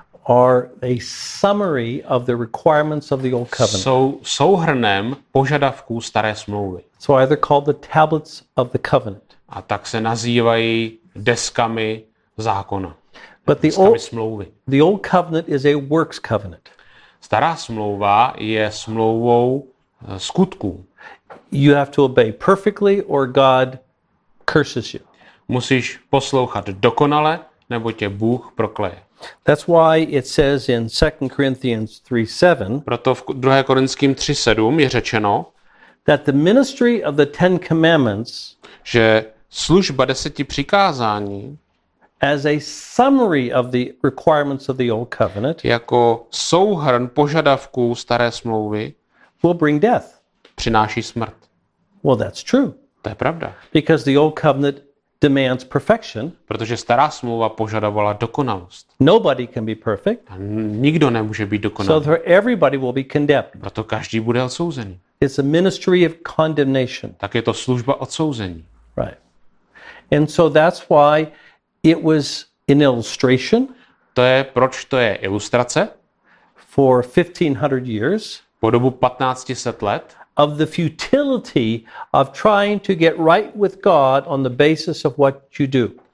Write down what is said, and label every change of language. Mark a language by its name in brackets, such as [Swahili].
[English] are a summary of the requirements of the Old Covenant. [Czech] Jsou souhrnem požadavků staré smlouvy. [English] So either called the Tablets of the Covenant. [Czech] A tak se nazývají deskami zákona. [English] But the old covenant is a works covenant. [Czech] Stará smlouva je smlouvou skutků. [English] You have to obey perfectly or God curses you. [Czech] Musíš poslouchat dokonale, nebo tě Bůh prokleje. [English] That's why it says in 2 Corinthians 3:7. [Czech] Proto v 2. Korinským 3:7 je řečeno, [English] that the ministry of the Ten Commandments, [Czech] že služba 10 přikázání, [English] as a summary of the requirements of the old covenant, [Czech] jako souhrn požadavků staré smlouvy, [English] will bring death. [Czech] Přináší smrt. [English] Well, that's true. [Czech] To je pravda. [English] Because the old covenant demands perfection. [Czech] Protože stará smlouva požadovala dokonalost. [English] Nobody can be perfect. [Czech] Nikdo nemůže být dokonalý. [English] So therefore everybody will be condemned. [Czech] Proto každý bude odsouzený. [English] It's a ministry of condemnation. [Czech] Tak je to služba odsouzení. [English] Right. And so that's why it was an illustration. [Czech] To je proč to je ilustrace. [English] For 1500 years. [Czech] po dobu 1500 let [English] of the futility of trying to get right with God on the basis of what you do.